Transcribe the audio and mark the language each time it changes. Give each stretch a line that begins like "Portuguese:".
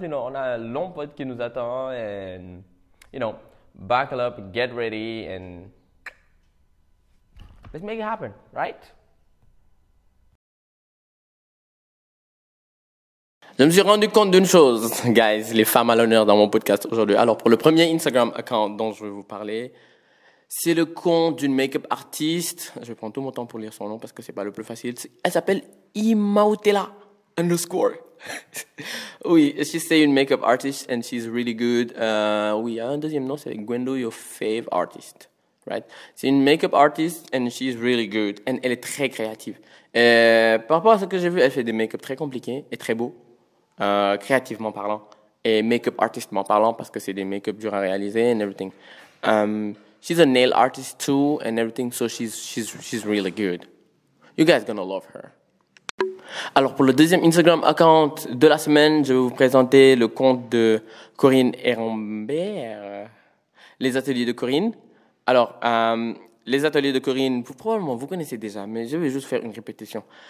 English: You know,
French: on a un long pod qui nous attend
English: and you know, buckle up, get ready and let's make it happen, right?
French: Je me suis rendu compte d'une chose, guys, les femmes à l'honneur dans mon podcast aujourd'hui. Alors pour le premier Instagram account dont je vais vous parler. C'est le compte d'une make-up artiste. Je prends tout mon temps pour lire son nom parce que c'est pas le plus facile. Elle s'appelle Imautela _.
English: Oui, she say une make-up artist and she's really good.
French: Oui, il y a un deuxième nom, c'est Gwendo,
English: your fave artist. Right?
French: C'est une make-up artist
English: and she's really good. And
French: elle est très créative. Par rapport à ce que j'ai vu, elle fait des make-up très compliqués et très beaux. Créativement parlant. Et make-up artistement parlant parce que c'est des make-up durs à réaliser
English: and everything. She's a nail artist too and everything, so she's really good. You guys gonna love her.
French: Alors pour le deuxième Instagram account de la semaine, je vais vous présenter le compte de Corinne Herambert. Les ateliers de Corinne. Alors les ateliers de Corinne, vous probablement vous connaissez déjà, mais je vais juste faire une répétition.